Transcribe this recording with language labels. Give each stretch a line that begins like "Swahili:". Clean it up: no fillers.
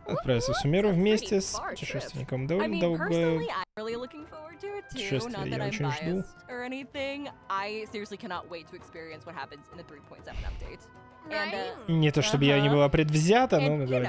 Russian: Отправиться в Сумеру вместе с путешественником. Довольно долго. Путешествие я очень жду.
English: Or anything. I seriously cannot wait to experience what happens in the 3.7 update.
Russian: Не то чтобы я не была предвзята, но